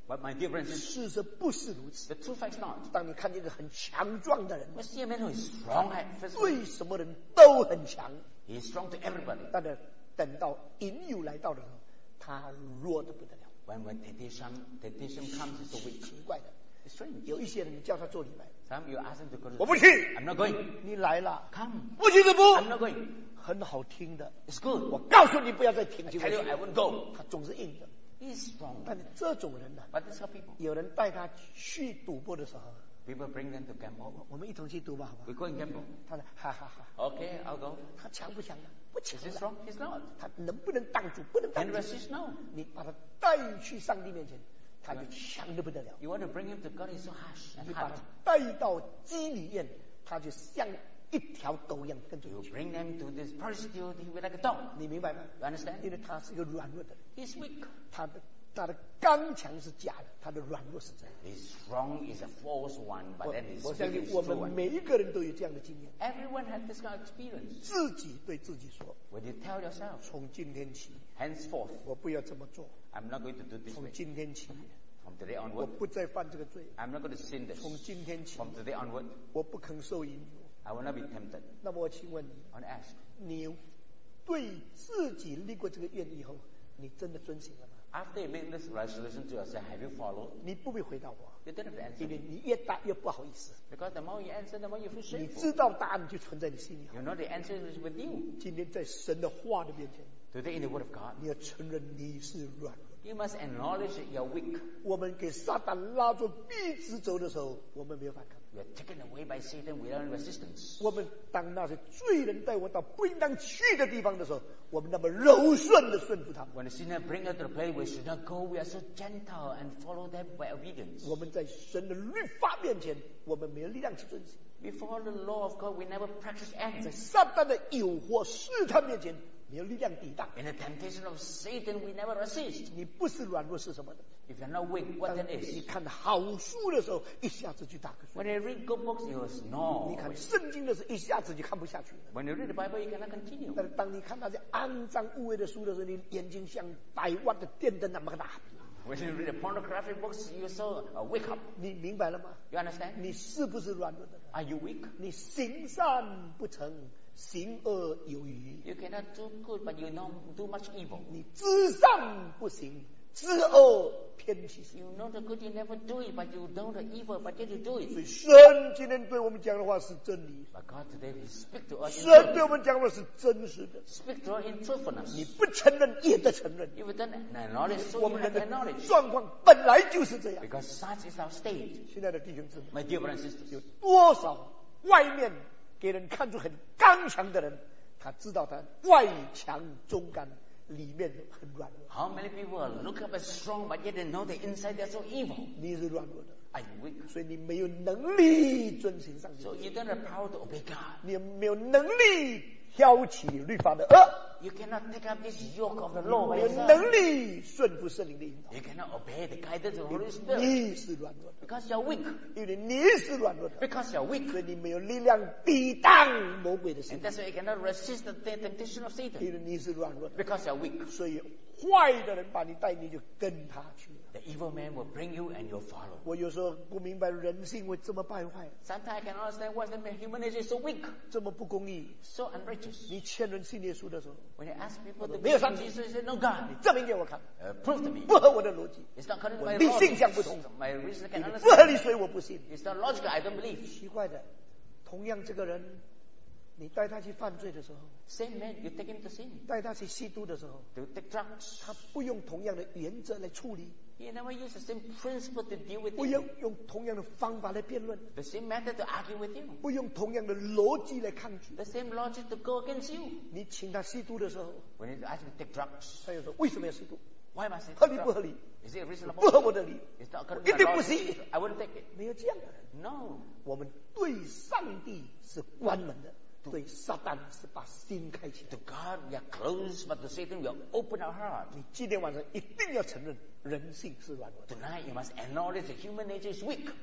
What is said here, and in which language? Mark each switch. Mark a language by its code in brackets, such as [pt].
[en] but my dear friends, [zh] 事实不是如此, [en] the true fact is not. [zh] 当你看见一个很强壮的人, [en] we see a man who is strong at physical, [zh] 对什么人都很强, [en] he is strong to everybody. [zh] 但是等到引诱来到的时候, 他弱得不得了, [en] when the temptation comes, it's so weak. [zh] 奇怪的, [en] it's strange. [zh] 有一些人叫他做礼拜, [en] some you ask him to go to the, [zh] 我不去, [en] I'm not going. [zh] 你来了, [en] come. [zh] 不去就不, [en] I'm not going. [zh] 很好听的, [en] it's good. [zh] 我告诉你不要再听, [en] I tell you I won't go. [zh] 他总是硬的, [en] he's strong. [zh] 但这种人呢, [en] but this kind of people, [zh] 有人带他去赌博的时候, [en] people bring them to gamble. [zh] 我们一同去赌吧, 好吧? [en] We go and gamble. [zh] 他说, [en] okay, I'll go. [zh] 他强不强的? [en] Is he strong? He's not. [zh] 他能不能挡住?不能挡住, [en] can resist? No. [zh] 你把他带去上帝面前, 他就强得不得了, [en] you want to bring him to God, he's so harsh and hard. [zh] 你把他带到鸡里面, 他就像一条狗一样, 跟着你去, [en] you bring them to this prostitute, he will be like a dog. [zh] 你明白吗? [en] You understand? [zh] 因为他是一个软弱的, [en] he's weak. [zh] 他的他的刚强是假的，他的软弱是真的。 [en] He's strong is a false one, but then he's weak is true. [zh] 我相信我们每一个人都有这样的经验。 [en] Everyone has this kind of experience. [zh] 自己对自己说。 [en] When you tell yourself, [zh] 从今天起 [en] ，henceforth， [zh] 我不要这么做。 [en] I'm not going to do this. [zh] 从今天起 [en] ，from today onward， [zh] 我不再犯这个罪。 [en] I'm not going to sin this. [zh] 从今天起 [en] ，from today onward， [zh] 我不肯受引诱。 [en] I will not be tempted. [zh] 那么我请问你 [en] ，I want to ask， [zh] 你对自己立过这个愿以后，你真的遵行了吗？ [en] After you make this resolution to yourself, have you followed? [zh] 你不必回答我。 [en] You didn't have to answer. [zh] 因为你越答越不好意思。 [en] Because the more you answer, the more you feel shameful. [zh] 你知道答案就存在你心里。 [en] You know the answer is with you. [zh] 今天在神的话的面前。 [en] Today in the Word of God. [zh] 你要承认你是软。 [en] You must acknowledge that you're weak. [zh] 我们给撒旦拉住鼻子走的时候，我们没有反抗。 [en] We are taken away by Satan without resistance. [zh] 我们当那些罪人带我到不应当去的地方的时候，我们那么柔顺的顺服他们。 [en] When the sinner bring us to the place we should not go, we are so gentle and follow them by obedience. [zh] 我们在神的律法面前，我们没有力量去遵行。 [en] Before the law of God, we never practice acts. [zh] 在撒旦的诱惑试探面前，没有力量抵挡。 [en] In the temptation of Satan, we never resist. [zh] 你不是软弱是什么的？ [en] If you're not weak, what then is? [zh] 你看好书的时候，一下子就打瞌睡。 [en] When you read good books, you snore. [zh] 你看圣经的时候，一下子就看不下去。 [en] When you read the Bible, you cannot continue. [zh] 但是当你看那些肮脏污秽的书的时候，你眼睛像百万的电灯那么大。 [en] When you read the pornographic books, you so wake up. [zh] 你明白了吗 [en] ？You understand? [zh] 你是不是软弱的人 [en] ？Are you weak? [zh] 你行善不成，行恶有余。 [en] You cannot do good, but you not do much evil. [zh] 你知善不行。知恶偏其善。 [en] You know the good you never do it, but you know the evil, but yet you do it. [zh] 所以神今天对我们讲的话是真理。 [en] But God today will speak to us. [zh] 神对我们讲的是真实的。 [en] Speak to us in truthfulness. [zh] 你不承认也得承认。 [en] If you don't acknowledge, so you have acknowledged. [zh] 状况本来就是这样。 [en] Because such is our state. [zh] 亲爱的弟兄姊妹。 [en] My dear brothers and sisters. [zh] 有多少外面给人看出很刚强的人，他知道他外强中干。里面很软弱。 [en] How many people look up as strong, but yet they know the inside they're so evil? [zh] 你是软弱的。 [en] I'm weak. [zh] 所以你没有能力遵行上帝。 [en] So you don't have power to obey God. [zh] 你没有能力挑起律法的轭。 [en] You cannot take up this yoke of the law. [zh] 你没有能力顺服圣灵的引导。 [en] You cannot obey the guidance of the Holy Spirit. [zh] 你是软弱的。 [en] Because you're weak. [zh] 因为你是软弱的。 [en] Because you're weak. [zh] 所以你没有力量抵挡魔鬼的试探。 [en] And that's why you cannot resist the temptation of Satan. [zh] 因为你是软弱的。 [en] Because you're weak. [zh] 所以坏的人把你带，你就跟他去。 [en] The evil man will bring you and you'll follow. [zh] 我有时候不明白人性会这么败坏。 [en] Sometimes I can't understand why the human nature is so weak. [zh] 这么不公义。 [en] So unrighteous. [zh] 你欠人信耶稣的时候。 [en] When you ask people to be Jesus, they say, no God. [zh] 你证明给我看。 [en] Prove to me. [zh] 不合我的逻辑。 [en] It's not correct. [zh] 我理性想不通。 [en] My reason can't understand. [zh] 不合理所以我不信。 [en] It's not logical, I don't believe. [zh] 奇怪的，同样这个人，你带他去犯罪的时候 [en] ，Same man, you take him to sin. [zh] 带他去吸毒的时候 [en] ，To take drugs. [zh] 他不用同样的原则来处理。 [en] He never used the same principle to deal with you. [zh] 不用用同样的方法来辩论。 [en] The same method to argue with you. [zh] 不用同样的逻辑来抗拒。 [en] The same logic to go against you. [zh] 你请他吸毒的时候 [en] ，When you ask him to take drugs, [zh] 他又说为什么要吸毒 [en] ？Why must I take drugs? [zh] 合理不合理 [en] ？Is it reasonable? [zh] 不合我的理。 [en] It's not correct. [zh] 一定不吸。 [en] I wouldn't take it. [zh] 没有这样的人。 [en] No. [zh] 我们对上帝是关门的。对撒旦是把心开启。 [en] To God we are closed, but to Satan we are open our heart. [zh] 你今天晚上一定要承认人性是软弱的。 [en] Tonight you must acknowledge that human nature is weak.